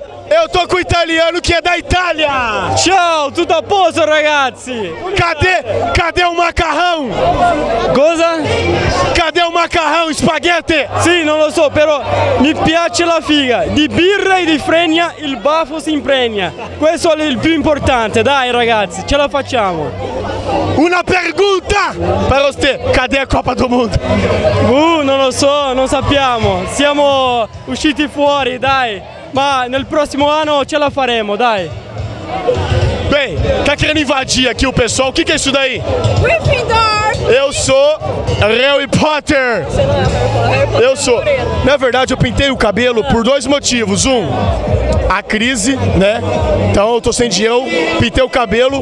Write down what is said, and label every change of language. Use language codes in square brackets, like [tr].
[pt] Eu tô com o italiano que é da Itália! Tchau, tudo a posto, ragazzi! Cadê o macarrão? [it] Cosa? [pt] Cadê o macarrão, espaguete? [it] Sim, non lo so, però mi piace la figa. Di birra e di fregna, il baffo si impregna. Questo è il più importante, dai ragazzi, ce la facciamo! Una pergunta per usted, cadê la Coppa del Mondo? Non lo so, non sappiamo, siamo usciti fuori, dai, ma nel prossimo anno ce la faremo, dai. [pt] Bem, tá querendo invadir aqui o pessoal, o que, que é isso daí? Gryffindor! Eu sou Harry Potter! Você não é Harry Potter? Eu sou. Na verdade, eu pintei o cabelo por dois motivos. Um, a crise, né? Então eu tô sem dinheiro, pintei o cabelo.